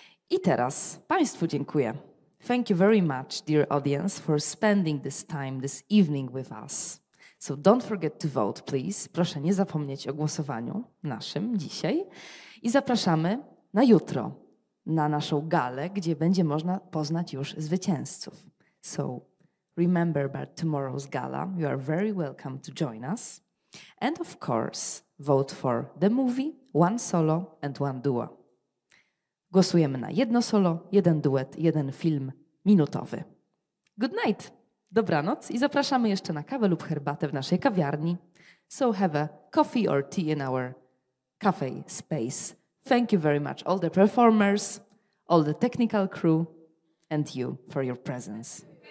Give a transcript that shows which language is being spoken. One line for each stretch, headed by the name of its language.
Polish: I teraz Państwu dziękuję.
English: Thank you very much, dear audience, for spending this time, this evening with us. So don't forget to vote, please.
Polish: Proszę nie zapomnieć o głosowaniu naszym dzisiaj. I zapraszamy na jutro, na naszą galę, gdzie będzie można poznać już zwycięzców.
English: So remember about tomorrow's gala. You are very welcome to join us. And of course, vote for the movie, one solo and one duo.
Polish: Głosujemy na jedno solo, jeden duet, jeden film minutowy.
English: Good night,
Polish: dobranoc i zapraszamy jeszcze na kawę lub herbatę w naszej kawiarni.
English: So have a coffee or tea in our cafe space. Thank you very much all the performers, all the technical crew and you for your presence.